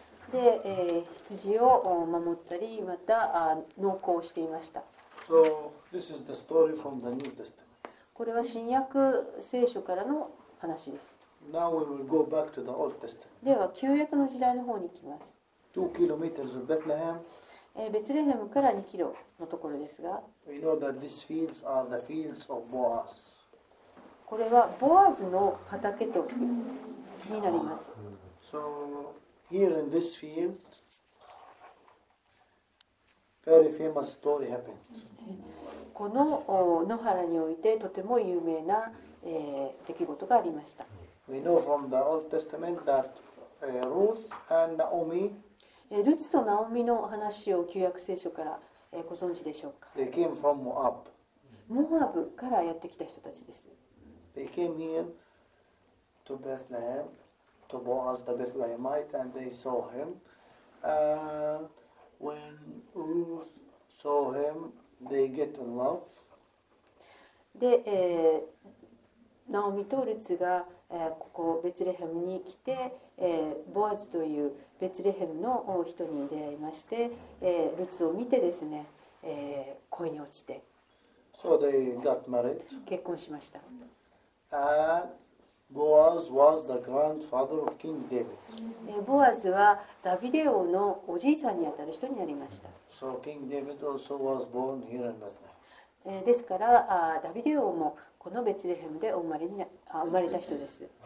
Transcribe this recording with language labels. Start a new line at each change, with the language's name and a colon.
Japanese: で、羊を守ったり、また農耕をしていました。
English: So, this is the story from the New Testament.
Japanese: これは新約聖書からの話です。
English: Now we will go back to the Old Testament.
Japanese: では、旧約の時代の方に行きます。
English: 2 kilometers of Bethlehem.
Japanese: ベツレヘムから2キロのところですが、
English: We know that these fields are the fields of Boaz.
Japanese: これはボアズの畑とになります。
English: So here in this field, very famous story happened.
Japanese: この野原においてとても有名な、出来事がありました。
English: We know from the Old Testament that Ruth and Naomi.
Japanese: ルツとナオミの話を旧約聖書からご存知でしょうか。
English: They came from Moab.
Japanese: モアブからやってきた人たちです。
English: They came here to Bethlehem, to Boaz the Bethlehemite, and they saw him. And when Ruth saw him, they get in love.
Japanese: で、ナオミとルツがここベツレヘムに来て、ボアズというベツレヘムの人に出会いまして、ルツを見てですね、恋に落ちて、
English: so、they got married.
Japanese: 結婚しました。
English: And Boaz was the grandfather of King David.
Japanese: ボアズはダビデ王のおじいさんにあたる人になりました。
English: So King David also was born here in Bethlehem.
Japanese: ですからダビデ王もこのベツレヘムで生まれた人です。